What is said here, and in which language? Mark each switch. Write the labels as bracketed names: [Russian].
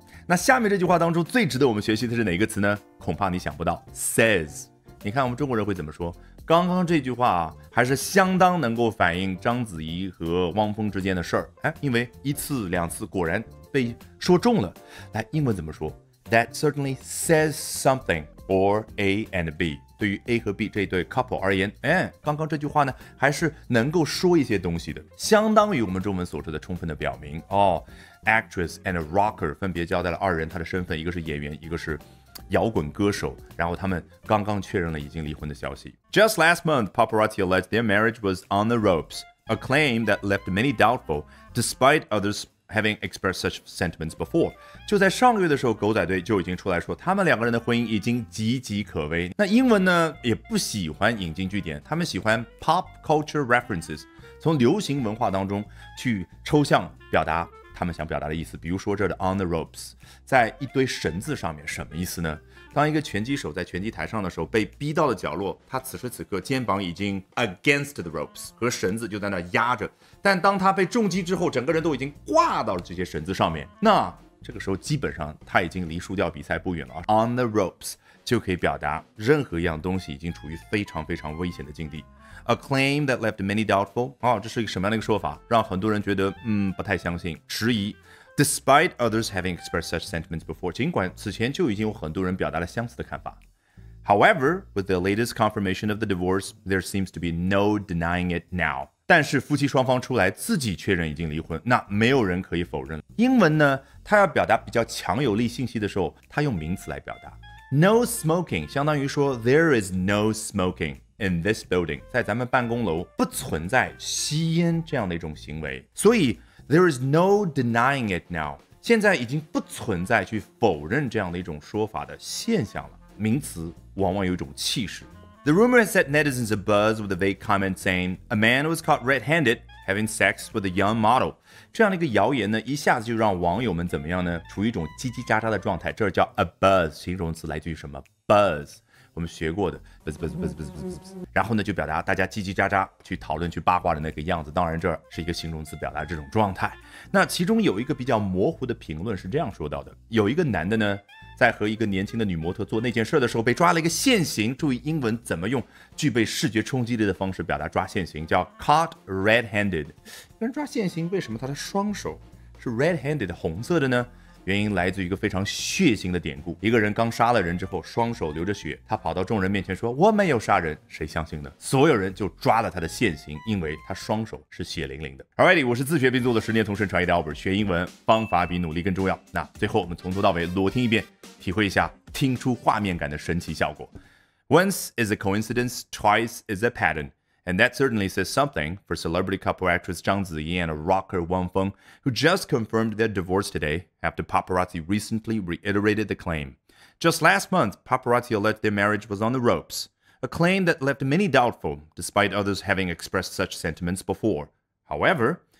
[Chinese] 那下面这句话当中最值得我们学习的是哪个词呢？恐怕你想不到， says。你看我们中国人会怎么说，刚刚这句话还是相当能够反映章子怡和汪峰之间的事儿，哎，因为一次两次果然被说中了。来，英文怎么说？ [English] That certainly says something for A and B. [Chinese] 对于 A 和 B 这对 couple 而言，哎，刚刚这句话呢，还是能够说一些东西的，相当于我们中文所说的充分的表明。哦 ， [English] actress and rocker [Chinese] 分别交代了二人他的身份，一个是演员，一个是摇滚歌手，然后他们刚刚确认了已经离婚的消息。 [English] Just last month, paparazzi alleged their marriage was on the ropes, a claim that left many doubtful, despite others. Having expressed such sentiments before. [Chinese] 就在上个月的时候，狗仔队就已经出来说他们两个人的婚姻已经岌岌可危。那英文呢也不喜欢引经据典，他们喜欢 [English] pop culture references， [Chinese] 从流行文化当中去抽象表达他们想表达的意思。比如说这的 [English] on the ropes， [Chinese] 在一堆绳子上面，什么意思呢？当一个拳击手在拳击台上的时候被逼到了角落，他此时此刻肩膀已经 [English] against the ropes， [Chinese] 和绳子就在那压着，但当他被重击之后，整个人都已经挂到了这些绳子上面，那这个时候基本上他已经离输掉比赛不远了。 [English] On the ropes [Chinese] 就可以表达任何一样东西已经处于非常非常危险的境地。 [English] A claim that left many doubtful、 [Chinese] 哦、这是一个什么样的一个说法，让很多人觉得不太相信，迟疑。 [English] Despite others having expressed such sentiments before, [Chinese] 尽管此前就已经有很多人表达了相似的看法。 [English] However, with the latest confirmation of the divorce, there seems to be no denying it now. [Chinese] 但是夫妻双方出来自己确认已经离婚，那没有人可以否认。英文呢，它要表达比较强有力信息的时候，它用名词来表达。 [English] No smoking [Chinese] 相当于说 [English] there is no smoking in this building， [Chinese] 在咱们办公楼不存在吸烟这样的一种行为。 [English] 所以There is no denying it now. [Chinese] 现在已经不存在去否认这样的一种说法的现象了。名词往往有一种气势。 [English] The rumor has set netizens abuzz with a vague comment saying a man was caught red-handed having sex with a young model. [Chinese] 这样的一个谣言呢，一下子就让网友们怎么样呢？处于一种叽叽喳喳的状态。这叫 abuzz， 形容词来自于什么 ？buzz， 我们学过的 buzz。然后呢，就表达大家叽叽喳喳去讨论、去八卦的那个样子。当然，这是一个形容词，表达这种状态。那其中有一个比较模糊的评论是这样说到的：有一个男的呢，在和一个年轻的女模特做那件事的时候，被抓了一个现行。注意英文怎么用具备视觉冲击力的方式表达抓现行，叫 [English] caught red-handed。 [Chinese] 人抓现行，为什么他的双手是 red-handed 红色的呢？原因来自于一个非常血腥的典故。一个人刚杀了人之后，双手流着血，他跑到众人面前说：“我没有杀人。” 谁相信呢？所有人就抓了他的现行，因为他双手是血淋淋的。 Alrighty， 我是自学并做了十年同声传译的 Albert， 学英文方法比努力更重要。那最后我们从头到尾裸听一遍，体会一下听出画面感的神奇效果。 [English] Once is a coincidence, twice is a pattern. And that certainly says something for celebrity couple actress 章子怡 and a rocker 汪峰 who just confirmed their divorce today after paparazzi recently reiterated the claim. Just last month, paparazzi alleged their marriage was on the ropes, a claim that left many doubtful, despite others having expressed such sentiments before. However,